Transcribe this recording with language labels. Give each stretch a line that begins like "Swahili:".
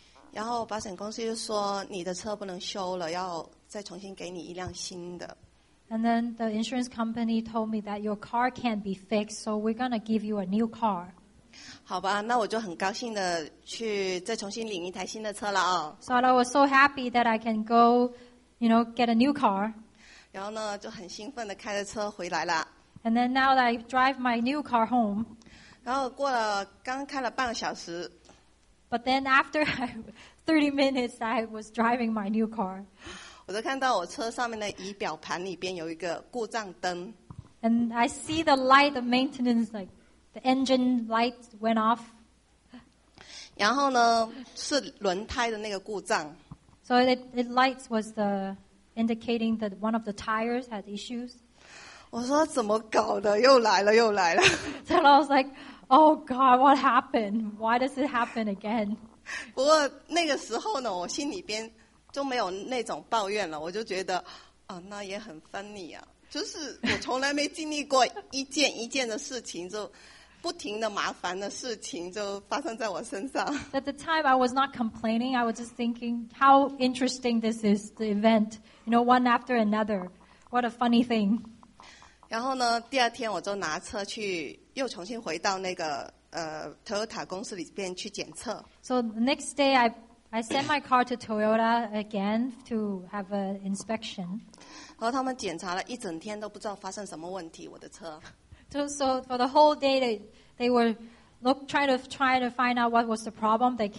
Chinese: 然后保险公司就说你的车不能修了，要再重新给你一辆新的。
English: And then the insurance company told me that your car can't be fixed, so we're going to give you a new car.
Chinese: 好吧，那我就很高兴的去再重新领一台新的车了哦。
English: So I was so happy that I can go, you know, get a new car.
Chinese: 然后呢，就很兴奋的开着车回来了。
English: And then now that I drive my new car home.
Chinese: 然后过了刚开了半个小时。
English: But then after 30 minutes, I was driving my new car.
Chinese: 我就看到我车上面的仪表盘里边有一个故障灯。
English: And I see the light, the maintenance, like the engine light went off.
Chinese: 然后呢，是轮胎的那个故障。
English: So it lights was the indicating that one of the tires had issues.
Chinese: 我说怎么搞的？又来了，又来了。
English: So I was like, oh God, what happened? Why does it happen again?
Chinese: 不过那个时候呢，我心里边。就没有那种抱怨了，我就觉得，啊，那也很 funny 啊，就是我从来没经历过一件一件的事情，就不停的麻烦的事情就发生在我身上。
English: At the time, I was not complaining. I was just thinking how interesting this is, the event, you know, one after another. What a funny thing.
Chinese: 然后呢，第二天我就拿车去，又重新回到那个Toyota 公司里边去检测。
English: So the next day, I sent my car to Toyota again to have an inspection.
Chinese: 然后他们检查了一整天都不知道发生什么问题，我的车。
English: So for the whole day, they were trying to find out what was the problem.